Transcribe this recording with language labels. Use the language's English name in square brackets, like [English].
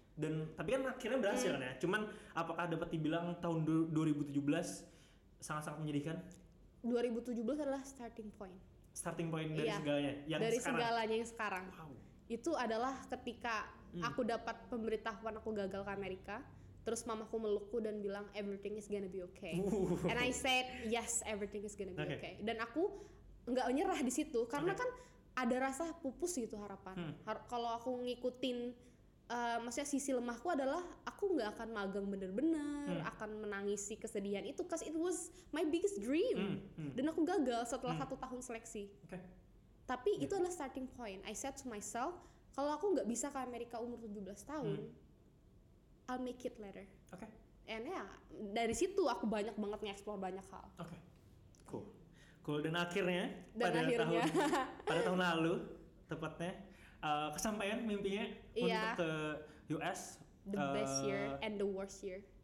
[Indonesian] Dan tapi kan akhirnya berhasil kan ya. Cuman apakah dapat dibilang tahun 2017 sangat-sangat menyedihkan? 2017 adalah starting point. Starting point dari segalanya yang dari sekarang. Dari segalanya yang sekarang. Wow. Itu adalah ketika aku dapat pemberitahuan aku gagal ke Amerika, terus mamaku melukku dan bilang [English] everything is gonna be okay. And I said, "Yes, everything is gonna be okay." [Indonesian] Dan aku enggak menyerah di situ karena kan ada rasa pupus gitu harapan. Kalau aku ngikutin maksudnya sisi lemahku adalah aku gak akan magang bener-bener, akan menangisi kesedihan itu, [English] cause it was my biggest dream. [Indonesian] Dan aku gagal setelah 1 tahun seleksi. Tapi itu adalah starting point. [English] I said to myself, [Indonesian] kalau aku gak bisa ke Amerika umur 17 tahun, [English] I'll make it later. And yeah, [Indonesian] dari situ aku banyak banget nge-explore banyak hal. [English] Cool. [Indonesian] Dan akhirnya, pada tahun lalu, tepatnya, kesampaian mimpinya untuk ke US. [English] The best year and the worst year.